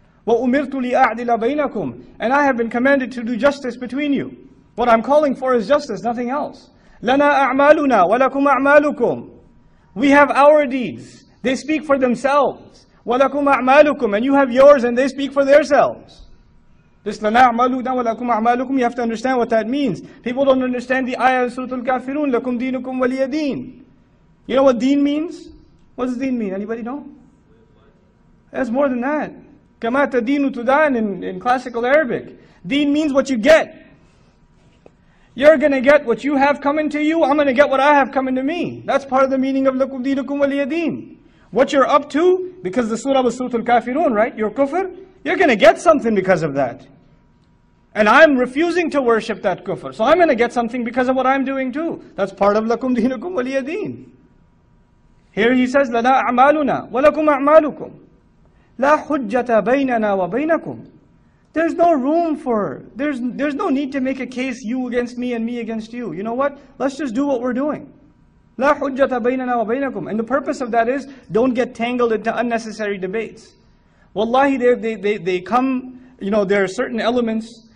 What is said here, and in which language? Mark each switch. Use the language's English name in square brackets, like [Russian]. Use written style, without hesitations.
[Arabic] وَأُمِرْتُ لِأَعْدِلَ بَيْنَكُمْ. [English] And I have been commanded to do justice between you. What I'm calling for is justice, nothing else. [Arabic] لَنَا أَعْمَالُنَا وَلَكُمْ أَعْمَالُكُمْ. [English] We have our deeds. They speak for themselves. [Arabic] وَلَكُمْ أَعْمَالُكُمْ. [English] And you have yours, and they speak for themselves. [Arabic] This لَنَا أَعْمَالُنَا وَلَكُمْ أَعْمَالُكُمْ. [English] You have to understand what that means. People don't understand the ayah of Surah Al-Kafirun. [Arabic] لَكُمْ دِينُكُمْ وَلِيَ دِينٌ. [English] You know what deen means? What does deen mean? Anybody know? That's more than that. [Arabic] كَمَا تَدِينُ تُدَانٌ [English] in classical Arabic. Deen means what you get. You're going to get what you have coming to you, I'm going to get what I have coming to me. That's part of the meaning of [Arabic] لَكُمْ دِينُكُمْ وَلِيَ دِينٌ. [English] What you're up to, because the surah was Surah Al-Kafirun, right? Your kufr, you're going to get something because of that. And I'm refusing to worship that kufr. So I'm going to get something because of what I'm doing too. That's part of [Arabic] لَكُمْ دِينُكُمْ وَلِيَ دِينٌ. [English] Here he says, [Arabic] لَنَا أَعْمَالُنَا وَلَكُمْ أَعْمَالُكُمْ لَا حُجَّةَ بَيْنَنَا وَبَيْنَكُمْ. [English] There's no room for, there's no need to make a case you against me and me against you. You know what? Let's just do what we're doing. [Arabic] لَا حُجَّةَ بَيْنَنَا وَبَيْنَكُمْ. [English] And the purpose of that is, don't get tangled into unnecessary debates. Wallahi, they come, you know, there are certain elements.